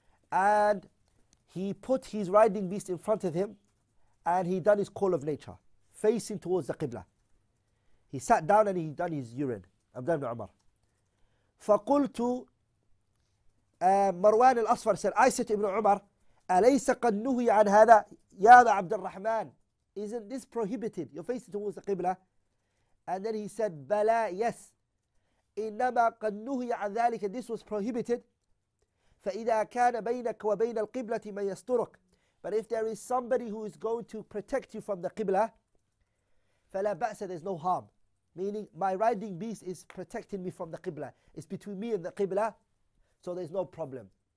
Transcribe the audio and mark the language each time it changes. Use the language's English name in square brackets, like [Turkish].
[English] and he put his riding beast in front of him, and he done his call of nature, facing towards the Qibla. He sat down and he done his urine. Abdullah ibn Umar. [Arabic] فَقُلْتُ مَرْوَانِ الْأَصْفَرِ [English] said, I said to Ibn Umar, [Arabic] أَلَيْسَ قَدْ نُهِيَ عَنْ هَذَا يَا عَبْدَ الرَّحْمَنِ [English] Isn't this prohibited? You're facing towards the Qibla. And then he said, [Arabic] بَلَا [English] yes. [Arabic] إِنَّمَا قَدْ نُهِيَ عَنْ ذَلِكَ [English] This was prohibited. [Arabic] فَإِذَا كَانَ بَيْنَكَ وَبَيْنَ الْقِبْلَةِ مَنْ يَسْتُرُكَ [English] But if there is somebody who is going to protect you from the Qibla, [Arabic] فَلَا بَأْسَ [English] There's no harm. Meaning, my riding beast is protecting me from the Qibla. It's between me and the Qibla, so there's no problem.